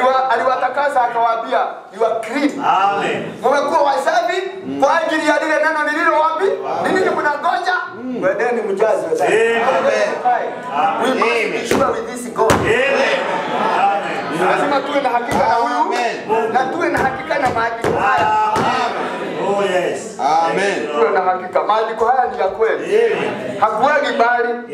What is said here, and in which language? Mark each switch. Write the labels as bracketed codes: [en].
[sw] Aliwatakasa akawaambia [en] you are clean. [sw] Amen. Mwekuwa wasafi kwa ajili ya lile neno nililowapi? Nini mnangoja? Mwendeni mjazwe sasa. Amen. [en] We must be sure with this God. Amen. [sw] Lazima tuwe na hakika na huyu. Amen. Na tuwe na hakika na maandiko haya. [en] Amen. Oh yes. [sw] Amen. Tuwe na hakika maandiko haya ni ya kweli. Amen. Hakuwagi bali.